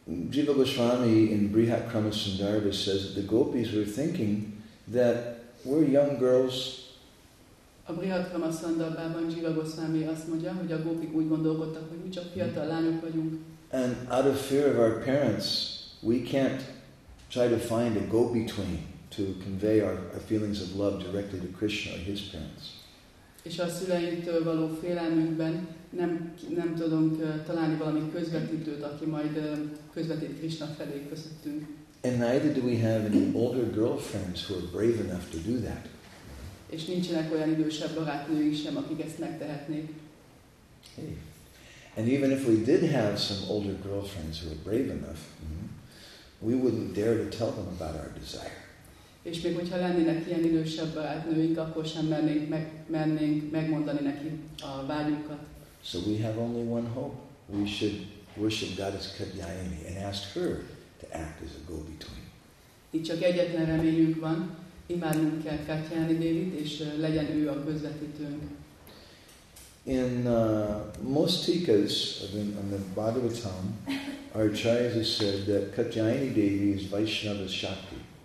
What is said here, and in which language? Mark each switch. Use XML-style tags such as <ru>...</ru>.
<en>Jiva Goswami in Brihat Kramasundarbha says that the gopis were thinking that we're young girls.</en> <hu>A Brihat Kramasundarbhában Jiva Goswami azt mondja, hogy a gópik úgy gondolkodtak, hogy mi csak fiatal lányok vagyunk.</hu> <en>And out of fear of our parents, we can't try to find a go-between to convey our feelings of love directly to Krishna or his parents.</en> <hu>És a szüleinktől való félelmünkben nem tudunk találni valami közvetítőt, aki majd közvetít Krishna felé közöttünk.</hu> <en>And neither do we have any older girlfriends who are brave enough to do that.</en> <hu>És nincsenek olyan idősebb barátnőink sem, akik ezt megtehetnék.</hu> <en>Hey. And even if we did have some older girlfriends who are brave enough, we wouldn't dare to tell them about our desire.</en> <hu>És még hogyha lennének ilyen idősebb barátnőink, akkor sem mennénk megmondani neki a vágyunkat.</hu> <en>So we have only one hope. We should worship Goddess Katyayani and ask her to act as a go-between.</en> <hu>Itt csak egyetlen reményünk van. Imádnunk kell Katyayani Devit, és legyen ő a közvetítőnk.</hu> <en>In most tikas on the Bhagavatam, Acharya has said that Katyayani Devi is Vaishnava Shakti.</en>